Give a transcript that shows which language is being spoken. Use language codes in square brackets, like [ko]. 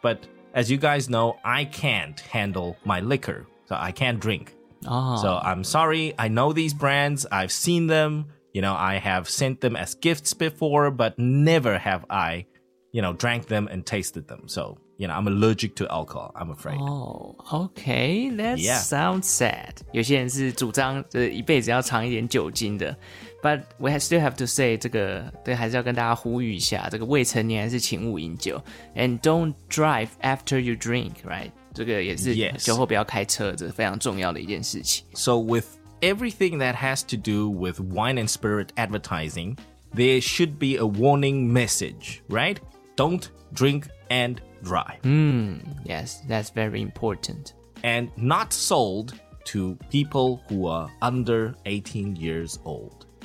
[en] But as you guys know, I can't handle my liquor, so I can't drink. Oh. So I'm sorry, I know these brands, I've seen them, You know, I have sent them as gifts before, but never have I, you know, drank them and tasted them. So, you know, I'm allergic to alcohol, I'm afraid. Oh, okay, that sounds sad. [zh] 有些人是主张就是一辈子要尝一点酒精的。 [en] But we still have to say [zh] 这个对还是要跟大家呼吁一下这个未成年还是请勿饮酒 [en] And don't drive after you drink, right? [zh] 这个也是酒后不要开车这非常重要的一件事情 [en] So with everything that has to do with wine and spirit advertising There should be a warning message, right? Don't drink and drive Yes, that's very important And not sold to people who are under 18 years old